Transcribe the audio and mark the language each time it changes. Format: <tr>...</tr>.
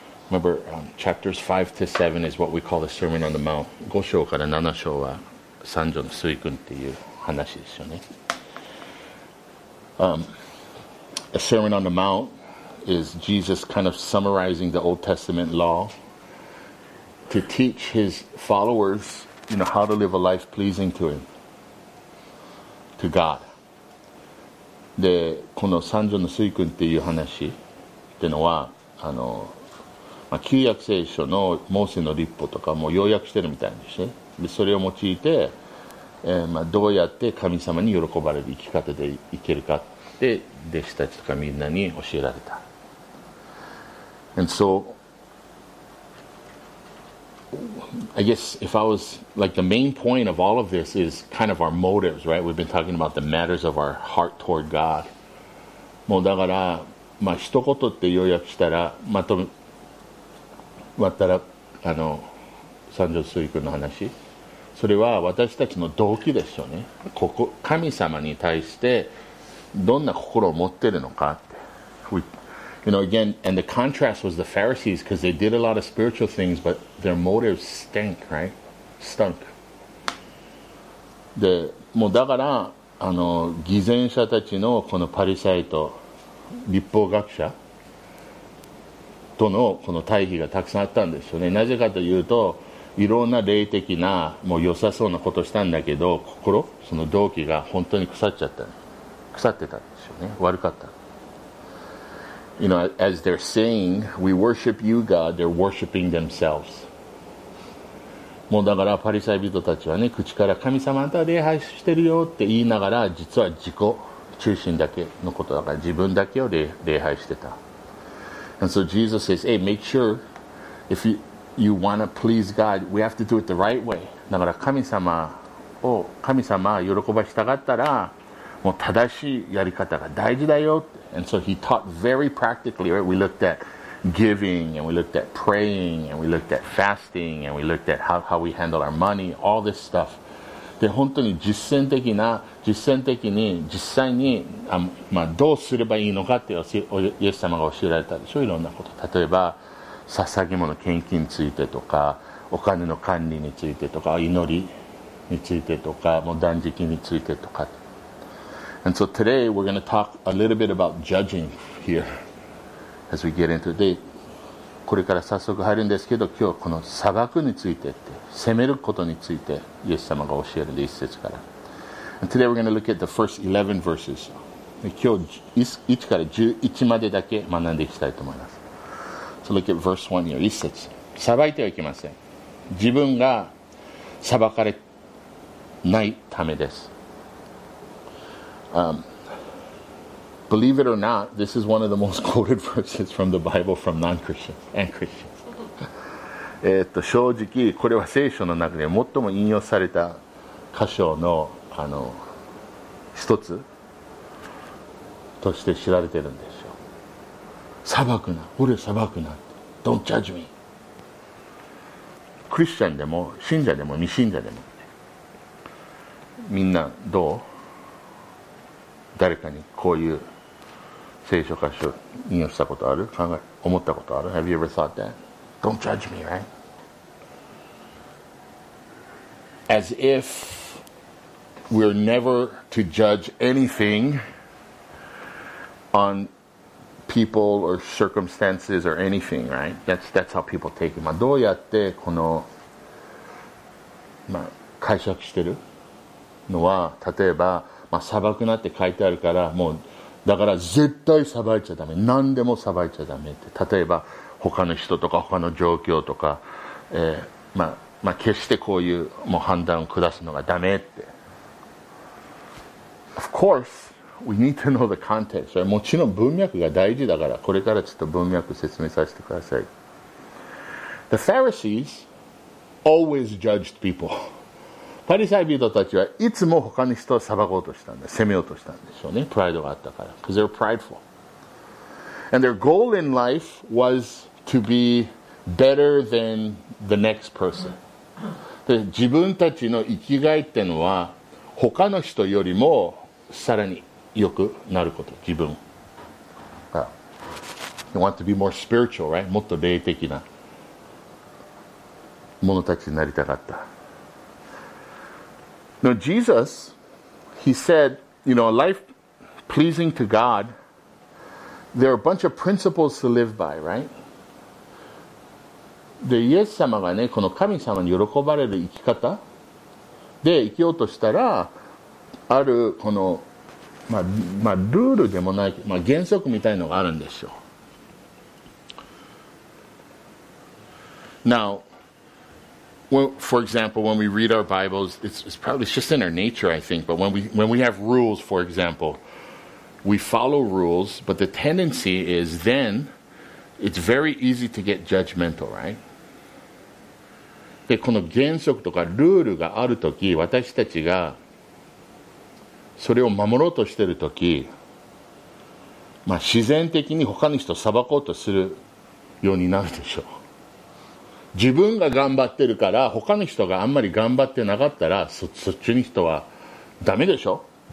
<en>Remember, chapters 5 to 7 is what we call the Sermon on the Mount.</en> <ja>5章から7章は三条の水訓っていう話ですよね。</ja> <en>The Sermon on the Mount is Jesus kind of summarizing the Old Testament law to teach his followers, you know, how to live a life pleasing to him, to God.</en> <ja>で、この三条の水訓っていう話っていうのは、旧約聖書のモーセの律法とかも要約してるみたいにして、でそれを用いて、どうやって神様に喜ばれる生き方でいけるかって弟子たちとかみんなに教えられた。</ja> <en>And so I guess if I was like the main point of all of this is kind of our motives, right? We've been talking about the matters of our heart toward God.</en> <ja>もうだから、一言って要約したら、まとまったら、三条水君の話、それは私たちの動機ですよね。ここ神様に対してどんな心を持ってるのかって。</ja> <en>You know, again, and the contrast was the Pharisees because they did a lot of spiritual things, but their motives stank, right? Stunk.</en> <ja>で、もうだから、偽善者たちのこのパリサイト、律法学者とのこの対比がたくさんあったんですよね。なぜかというと、いろんな霊的な、もう良さそうなことしたんだけど、心、その動機が本当に腐っちゃった。腐ってたんですよね。悪かった。</ja> <en>You know, as they're saying, we worship you, God, they're worshiping themselves.</en> <ja>もうだからパリサイ人たちはね、口から神様あんたは礼拝してるよって言いながら、実は自己中心だけのことだから、自分だけを礼拝してた。</ja> <en>And so Jesus says, hey, make sure if you want to please God, we have to do it the right way.</en> <ja>だから神様を喜ばしたかったら、もう正しいやり方が大事だよって。</ja> <en>And so he taught very practically, right? We looked at giving, and we looked at praying, and we looked at fasting, and we looked at how we handle our money, all this stuff.</en> <ja>で、本当に実践的に、どうすればいいのかって、イエス様が教えられたでしょ、いろんなこと。例えば、捧げ物献金についてとか、お金の管理についてとか、祈りについてとか、もう断食についてとか。</ja> <en>And so today we're going to talk a little bit about judging here as we get into it.</en> <ja>これから早速入るんですけど、今日この裁くについてって、責めることについて、イエス様が教えるんで、一節から。</ja> <en>And today we're going to look at the first 11 verses.</en> <ja>今日1から11までだけ学んでいきたいと思います。</ja> <en>So look at verse 1 here,</en> <ja>一節。裁いてはいけません。自分が裁かれないためです。</ja> <en>Believe it or not, this is one of the most quoted verses from the Bible from non-Christians and Christians.</en> <ja>正直これは聖書の中で最も引用された箇所の一つとして知られてるんですよ。裁くな、俺裁くな、</ja> <en>Don't judge me.</en> <ja>クリスチャンでも信者でも未信者でもみんなどう？誰かにこういう聖書箇所引用したことある？思ったことある？</ja> <en>Have you ever thought that? Don't judge me, right? As if we're never to judge anything on people or circumstances or anything, right? That's how people take it.</en> <ja>どうやってこの解釈してるのは、例えば裁くなって書いてあるからもうだから絶対裁いちゃダメ、何でも裁いちゃダメって、例えば他の人とか他の状況とか、決してこういう、もう判断を下すのがダメって。</ja> <en>Of course we need to know the context、right?</en> <ja>もちろん文脈が大事だから、これからちょっと文脈説明させてください。</ja> <en>The Pharisees always judged people</en> <ja>パリサイ人たちはいつも他の人を裁こうとしたんで、責めようとしたんでしょうね。プライドがあったから。</ja> <en>Because they're prideful. And their goal in life was to be better than the next person.</en> <ja>で、自分たちの生きがいってのは、他の人よりもさらに良くなること、自分が。</ja> <en>They want to be more spiritual, right?</en> <ja>もっと霊的なものたちになりたかった。</ja> <en>Now Jesus, he said, you know, a life pleasing to God, there are a bunch of principles to live by, right? で、イエス様がね、この神様に喜ばれる生き方で生きようとしたら、あるこの、ルールでもない、原則みたいのがあるんでしょう。 Now, for example, when we read our Bibles, it's probably just in our nature, I think, but when we have rules, for example, we follow rules, but the tendency is then it's very easy to get judgmental, right?</en> <ja>でこの原則とかルールがあるとき、私たちがそれを守ろうとしているとき、自然的に他の人を裁こうとするようになるでしょう。自分が頑張ってるから他の人があんまり頑張ってなかったら そっちの人はダメでしょ。</ja>